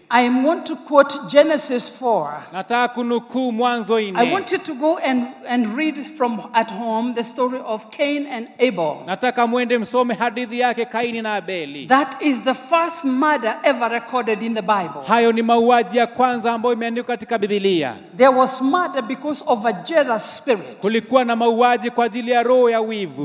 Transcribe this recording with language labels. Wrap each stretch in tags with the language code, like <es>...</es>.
<en>I want to quote Genesis 4.</en> <sw>Nataka kunukuu Mwanzo 4.</sw> <en>I want you to go and read from at home the story of Cain and Abel.</en> <sw>Nataka muende msome hadithi yake Kaini na Abeli.</sw> <en>That is the first murder ever recorded in the Bible.</en> <sw>Hayo ni mauaji ya kwanza ambayo imeandikwa katika Biblia.</sw> <en>There was murder because of a jealous spirit.</en> <sw>Kulikuwa na mauaji kwa ajili ya roho ya wivu.</sw>